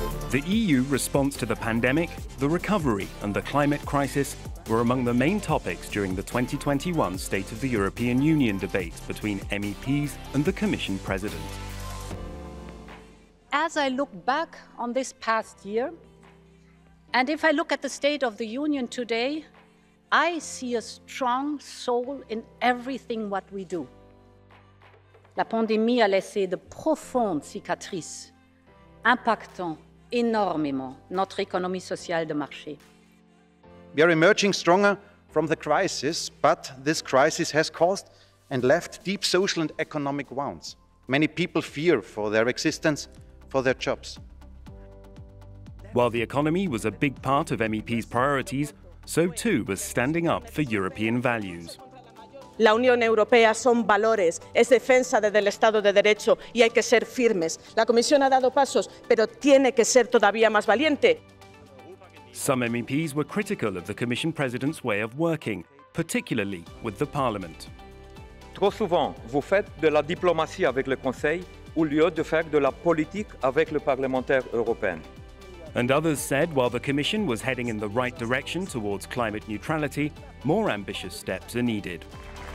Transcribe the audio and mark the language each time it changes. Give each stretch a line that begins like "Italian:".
English: The EU response to the pandemic, the recovery and the climate crisis were among the main topics during the 2021 State of the European Union debate between MEPs and the Commission President. As I look back on this past year, and if I look at the State of the Union today, I see a strong soul in everything what we do.
French: La pandémie a laissé de profondes cicatrices, impactant énormément notre économie sociale de marché.
English: We are emerging stronger from the crisis, but this crisis has caused and left deep social and economic wounds. Many people fear for their existence, for their jobs. While the economy was a big part of MEP's priorities, so too was standing up for European values.
Spanish: La Unión Europea son valores, es defensa del Estado de Derecho y hay que ser firmes. La Comisión ha dado pasos, pero tiene que ser todavía más valiente.
English: Some MEPs were critical of the Commission President's way of working, particularly with the Parliament.
French: Trop souvent, vous faites de la diplomatie avec le Conseil au lieu de faire de la politique avec le parlementaire européen.
English: And others said while the Commission was heading in the right direction towards climate neutrality, more ambitious steps are needed.